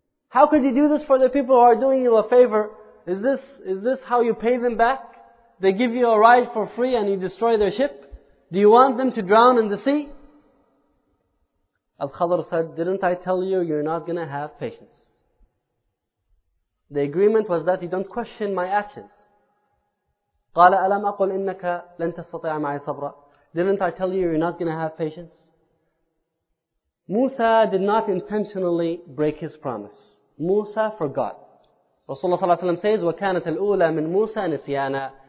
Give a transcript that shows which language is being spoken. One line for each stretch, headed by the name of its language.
English: How could he do this for the people who are doing you a favor? Is this how you pay them back? They give you a ride for free and you destroy their ship? Do you want them to drown in the sea? Al-Khadr said, didn't I tell you, you're not going to have patience. The agreement was that you don't question my actions.
Arabic: قال ألم أقل إنك لن تستطيع معي صبرا.
English: Didn't I tell you you're not going to have patience? Musa did not intentionally break his promise. Musa forgot. Rasulullah صلى الله عليه وسلم says,
Arabic: وكانت الأولى من موسى نسيانا.